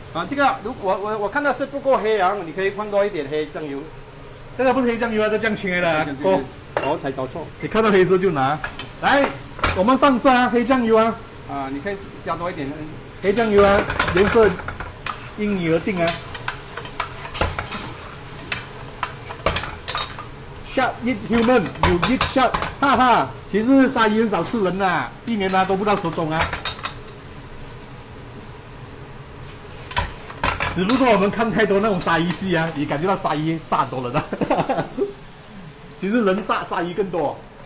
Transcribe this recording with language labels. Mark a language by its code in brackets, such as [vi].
[zh] 啊，这个如果我看到是不够黑啊，你可以放多一点黑酱油。这个不是黑酱油啊，这酱青黑的、啊。哥，我才搞错。你看到黑色就拿。来，我们上色啊，黑酱油啊。啊，你可以加多一点。黑酱油啊，颜色因你而定啊。 [en] Shark eat human, you eat shark. [zh] 哈哈，其实鲨鱼很少吃人啊，一年啊都不到十种啊。只不过我们看太多那种鲨鱼戏啊，你感觉到鲨鱼杀很多人啊，其实人杀鲨鱼更多，